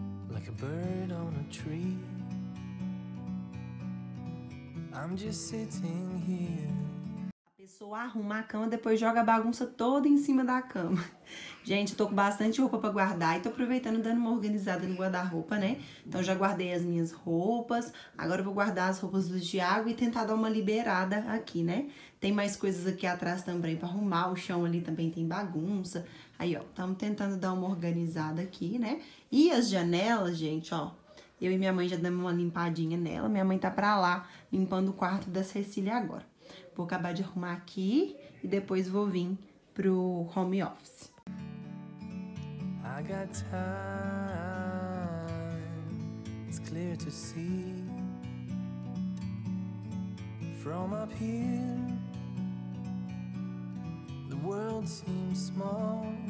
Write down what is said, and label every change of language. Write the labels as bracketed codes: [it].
[en] Like a bird on a tree, I'm just sitting here. [pt] Pessoa arruma a cama, depois joga a bagunça toda em cima da cama. Gente, tô com bastante roupa pra guardar e tô aproveitando dando uma organizada no guarda-roupa, né? Então já guardei as minhas roupas, agora eu vou guardar as roupas do Thiago e tentar dar uma liberada aqui, né? Tem mais coisas aqui atrás também pra arrumar, o chão ali também tem bagunça. Aí, ó, tamo tentando dar uma organizada aqui, né? E as janelas, gente, ó. Eu e minha mãe já damos uma limpadinha nela. Minha mãe tá pra lá, limpando o quarto da Cecília agora. Vou acabar de arrumar aqui e depois vou vir pro home office. [en] I got time, it's clear to see. From up here, the world seems small.